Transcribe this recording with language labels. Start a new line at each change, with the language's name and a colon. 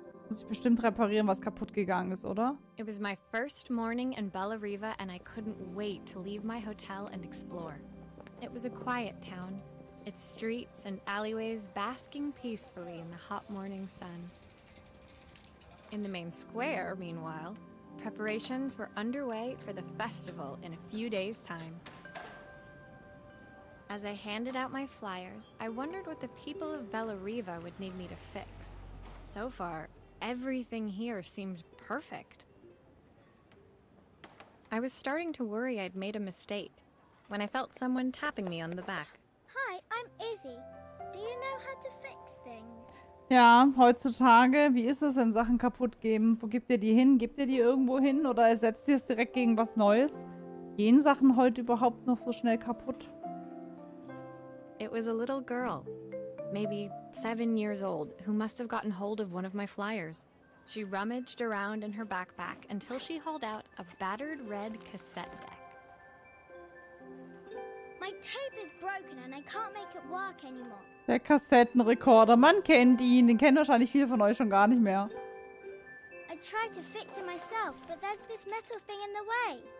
German: Muss ich bestimmt reparieren, was kaputt gegangen ist, oder?
English: It was my first morning in Bellariva and I couldn't wait to leave my hotel and explore. It was a quiet town. Its streets and alleyways basking peacefully in the hot morning sun. In the main square, meanwhile, preparations were underway for the festival in a few days' time. As I handed out my flyers, I wondered what the people of Bellariva would need me to fix. So far, everything here seemed perfect. I was starting to worry I'd made a mistake when I felt someone tapping me on the back. Hi, I'm Izzy. Do you know how to fix things?
German: Ja, heutzutage, wie ist es, wenn Sachen kaputt geben? Wo gibt ihr die hin? Gibt ihr die irgendwo hin? Oder ersetzt ihr es direkt gegen was Neues? Gehen Sachen heute überhaupt noch so schnell kaputt?
English: It was a little girl, maybe 7 years old, who must have gotten hold of one of my flyers. She rummaged around in her backpack until she hauled out a battered red cassette deck. My tape is broken and I can't make it work anymore.
German: Der Kassettenrekorder, man kennt ihn, den kennen wahrscheinlich viele von euch schon gar nicht mehr.
English: I tried to fix it myself, but there's this metal thing in the way.